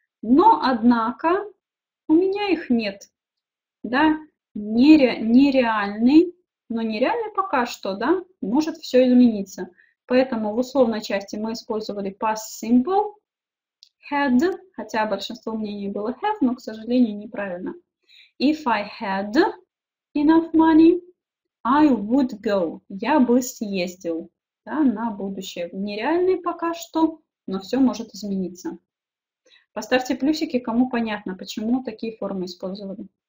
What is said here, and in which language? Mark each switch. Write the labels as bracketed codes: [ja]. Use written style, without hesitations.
[ru] Но, однако, у меня их нет. Да, нереальный, но нереальный пока что, да, может все измениться. Поэтому в условной части мы использовали past simple, had, хотя большинство мнений было have, но, к сожалению, неправильно. [en] If I had enough money, I would go. [ru] Я бы съездил, да, на будущее. Нереальный пока что, но все может измениться. Поставьте плюсики, кому понятно, почему такие формы использовали.